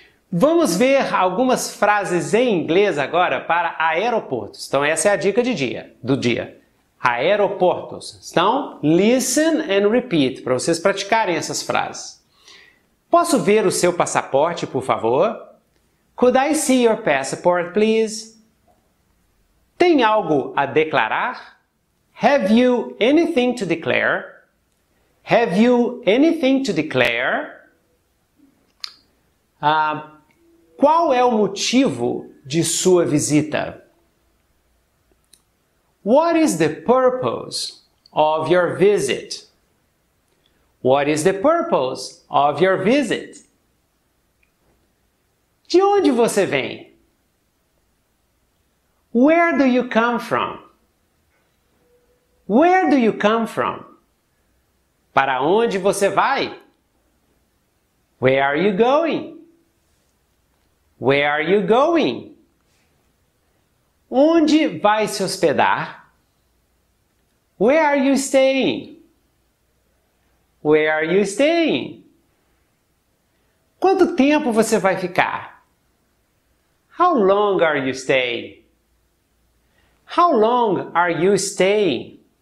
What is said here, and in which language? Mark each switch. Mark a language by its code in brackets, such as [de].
[pt] Vamos ver algumas frases em inglês agora para aeroportos. Então essa é a dica de dia, do dia. Aeroportos. Então, listen and repeat, para vocês praticarem essas frases. Posso ver o seu passaporte, por favor? [en] Could I see your passport, please? Tem algo a declarar? Have you anything to declare? Have you anything to declare? [pt] Qual é o motivo de sua visita? [en] What is the purpose of your visit? What is the purpose of your visit? [pt] De onde você vem? [en] Where do you come from? Where do you come from? Para onde você vai? [pt] Where are you going? [en] Where are you going? Onde vai se hospedar? Where are you staying? Where are you staying? [pt] Quanto tempo você vai ficar? [en] How long are you staying? How long are you staying?